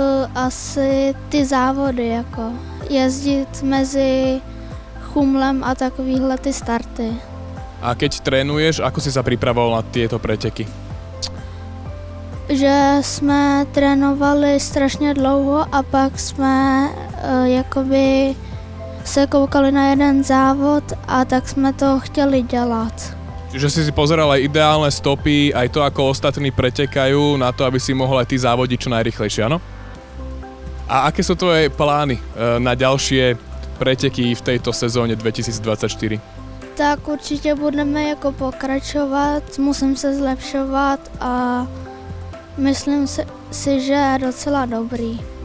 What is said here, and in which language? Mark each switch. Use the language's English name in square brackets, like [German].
[Czech] Asi ty závody, ako jezdiť medzi chumlem a takovýhle ty starty. [Slovak] A keď trénuješ, ako si sa pripravoval na tieto preteky? [Czech] Že sme trénovali strašne dlouho a pak sme jakoby se koukali na jeden závod a tak sme to chteli dělat. [Slovak] Čiže si si pozeral aj ideálne stopy, aj to, ako ostatní pretekajú na to, aby si mohol aj ty závodiť čo najrychlejšie, áno? A aké sú tvoje plány na ďalšie preteky v tejto sezóne 2024? Tak určite budeme jako pokračovať, musím sa zlepšovať a myslím si, že je docela dobrý.